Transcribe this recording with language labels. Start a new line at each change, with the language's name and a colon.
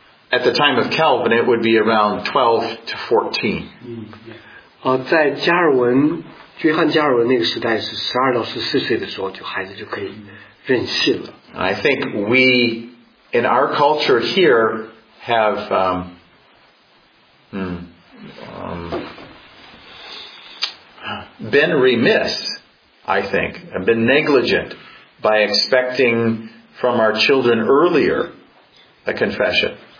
English: At the time of Calvin, it would be around 12 to 14.
Chinese: 在加尔文 约翰加尔文那个时代是12到14岁的时候，就孩子就可以任性了。
English: I think we in our culture here have been remiss, I think, have been negligent by expecting from our children earlier a confession.